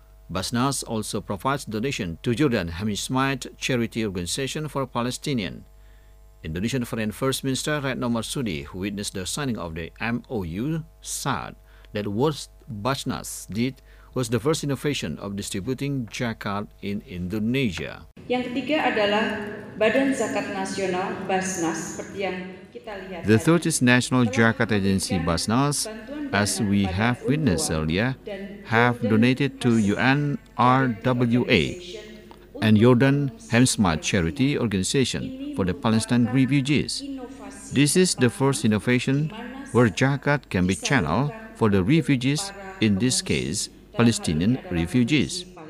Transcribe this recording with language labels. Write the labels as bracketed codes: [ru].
[en] Basnas also provides donation to Jordan Hammersmith Charity Organization for Palestinians. Indonesian Foreign First Minister Retno Marsudi, who witnessed the signing of the MOU, said that what Basnas did was the first innovation of distributing zakat in Indonesia. [id] Yang ketiga adalah Badan Zakat Nasional Basnas, seperti yang kita lihat. [en] The third is National Zakat Agency Basnas, as we have witnessed earlier, have donated to UNRWA and Jordan Hammersmith Charity Organization for the Palestine refugees. This is the first innovation where zakat can be channeled for the refugees, in this case, Palestinian refugees.